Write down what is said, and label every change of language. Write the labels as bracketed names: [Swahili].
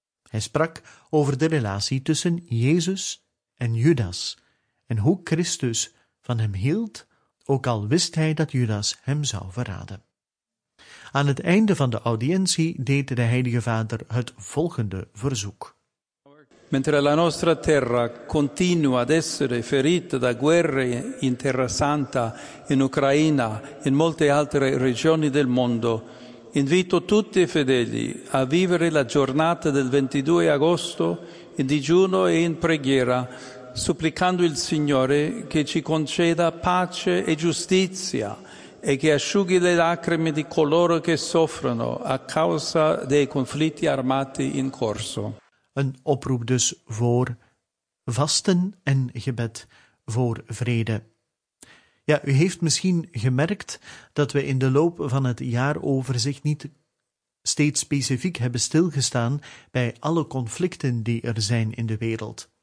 [Dutch] Hij sprak over de relatie tussen Jezus en Judas en hoe Christus van hem hield, ook al wist hij dat Judas hem zou verraden. Aan het einde van de audiëntie deed de Heilige Vader het volgende verzoek. [Italian] Mentre la nostra terra continua ad essere ferita da guerre in Terra Santa, in Ucraina, in molte altre regioni del mondo, invito tutti i fedeli a vivere la giornata del 22 agosto in digiuno e in preghiera, supplicando il Signore che ci conceda pace e giustizia e che asciughi le lacrime di coloro che soffrono a causa dei conflitti armati in corso. [Dutch] Een oproep dus voor vasten en gebed voor vrede. Ja, u heeft misschien gemerkt dat we in de loop van het jaaroverzicht niet steeds specifiek hebben stilgestaan bij alle conflicten die er zijn in de wereld.